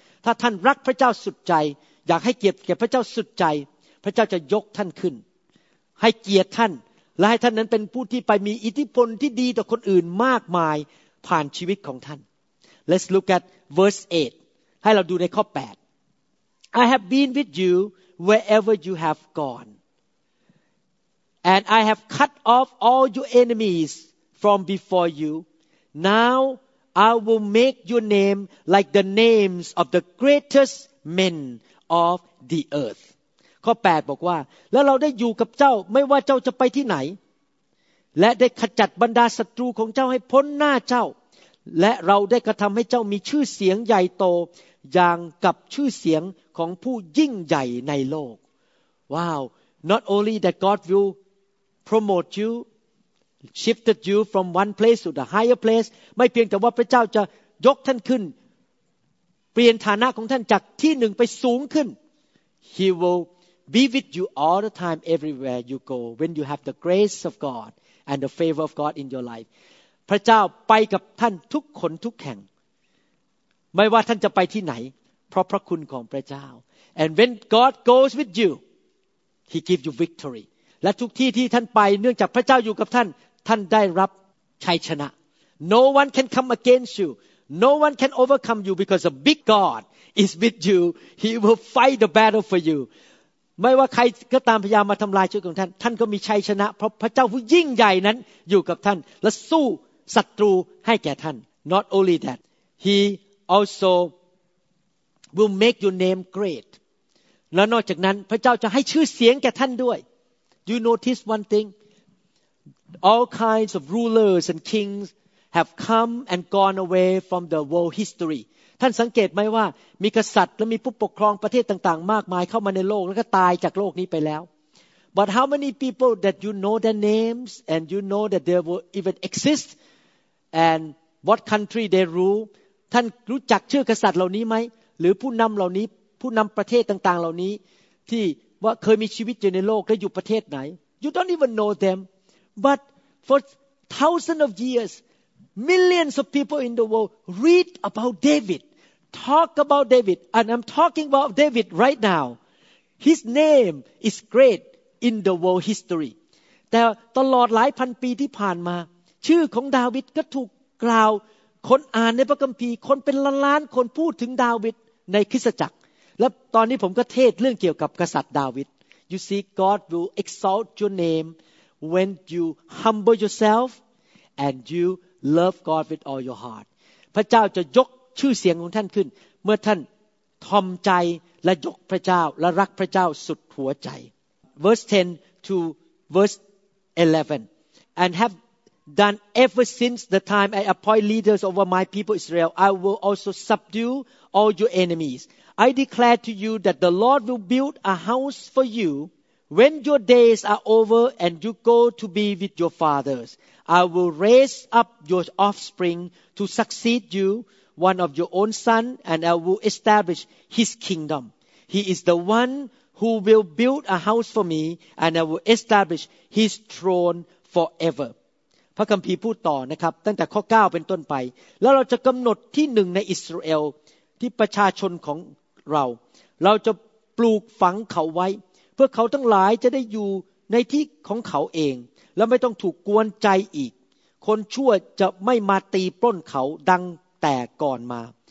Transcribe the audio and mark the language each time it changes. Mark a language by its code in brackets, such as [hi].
[th] ถ้าท่านรักพระเจ้าสุดใจอยากให้เกียรติแก่พระเจ้าสุดใจพระเจ้าจะยกท่านขึ้นให้เกียรติท่านและให้ท่านนั้นเป็นผู้ที่ไปมีอิทธิพลที่ดีต่อคนอื่นมากมายผ่านชีวิตของท่าน [en] Let's look at verse 8. [th] ให้เราดูในข้อ8. [en] I have been with you wherever you have gone. And I have cut off all your enemies from before you. Now I will make your name like the names of the greatest men of the earth. [th] ข้อ8บอกว่าแล้วเราได้อยู่กับเจ้าไม่ว่าเจ้าจะไปที่ไหนและได้ขจัดบรรดาศัตรูของเจ้าให้พ้นหน้าเจ้าและเราได้กระทำให้เจ้ามีชื่อเสียงใหญ่โตอย่างกับชื่อเสียงของผู้ยิ่งใหญ่ในโลกว้าว [en] Not only that God will promote you, shifted you from one place to the higher place. [th] ไม่เพียงแต่ว่าพระเจ้าจะยกท่านขึ้นเปลี่ยนฐานะของท่านจากที่หนึ่งไปสูงขึ้น [en] He will be with you all the time, everywhere you go. When you have the grace of God and the favor of God in your life, [th] พระเจ้าไปกับท่านทุกคนทุกแห่งไม่ว่าท่านจะไปที่ไหนเพราะพระคุณของพระเจ้า [en] And when God goes with youHe gives you victory. [th] และทุกที่ที่ท่านไปเนื่องจากพระเจ้าอยู่กับท่านท่านได้รับชัยชนะ [en] No one can come against you. No one can overcome you because a big God is with you. He will fight the battle for you. [th] ไม่ว่าใครก็ตามพยายามมาทำลายชีวิตของท่านท่านก็มีชัยชนะเพราะพระเจ้าผู้ยิ่งใหญ่นั้นอยู่กับท่านและสู้ศัตรูให้แก่ท่าน [en] Not only that, He also will make your name great. [th] และนอกจากนั้นพระเจ้าจะให้ชื่อเสียงแก่ท่านด้วย [en] You notice one thing All kinds of rulers and kings have come and gone away from the world history [th] ท่านสังเกตไหมว่ามีกษัตริย์และมีผู้ปกครองประเทศต่างๆมากมายเข้ามาในโลกแล้วก็ตายจากโลกนี้ไปแล้ว [en] But how many people that you know their names and you know that they will even exist and what country they rule [th] ท่านรู้จักชื่อกษัตริย์เหล่านี้ไหมหรือผู้นำเหล่านี้ผู้นำประเทศต่างๆเหล่านี้ที่ว่าเคยมีชีวิตอยู่ในโลกและอยู่ประเทศไหน [en] You don't even know them. But for thousands of years, Millions of people in the world read about David, talk about David, and I'm talking about David right now. His name is great in the world history. [th] แต่ตลอดหลายพันปีที่ผ่านมาชื่อของดาวิดก็ถูกกล่าวคนอ่านในพระคัมภีร์คนเป็นล้านๆคนพูดถึงดาวิดในคริสตจักรและตอนนี้ผมก็เทศเรื่องเกี่ยวกับกษัตริย์ดาวิด [en] You see God will exalt your name when you humble yourself and you love God with all your heart [th] พระเจ้าจะยกชื่อเสียงของท่านขึ้นเมื่อท่านทอมใจและยกพระเจ้าและรักพระเจ้าสุดหัวใจ [en] Verse 10 to verse 11 and haveThen ever since the time I appoint leaders over my people Israel, I will also subdue all your enemies. I declare to you that the Lord will build a house for you. When your days are over and you go to be with your fathers, I will raise up your offspring to succeed you, one of your own son, and I will establish his kingdom. He is the one who will build a house for me, and I will establish his throne forever. [th] พระคัมภีร์พูดต่อนะครับตั้งแต่ข้อ9เป็นต้นไปแล้วเราจะกำหนดที่หนึ่งในอิสราเอลที่ประชาชนของเราเราจะปลูกฝังเขาไว้เพื่อเขาทั้งหลายจะได้อยู่ในที่ของเขาเองและไม่ต้องถูกกวนใจอีกคนชั่วจะไม่มาตีปล้นเขาดังแต่ก่อนมา